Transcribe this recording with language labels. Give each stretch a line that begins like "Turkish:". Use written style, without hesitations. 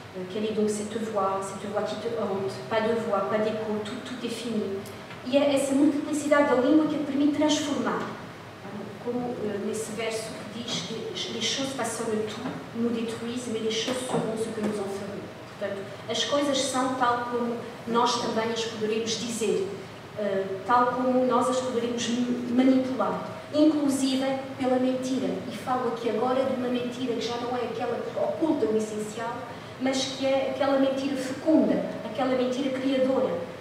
French: Quel est donc cette voix qui te hante, pas de voix, pas d'écho, tout, tout est fini.
Portuguese: E é essa multiplicidade da língua que a permite transformar. Como nesse verso que diz que
French: les choses façonnent tout, nous détruisent, mais les choses seront ce que nous en ferons.
Portuguese: Portanto, as coisas são tal como nós também as poderemos dizer, tal como nós as poderemos manipular. Inclusive pela mentira. E falo aqui agora de uma mentira que já não é aquela que oculta o essencial, mas que é aquela mentira fecunda, aquela mentira criadora.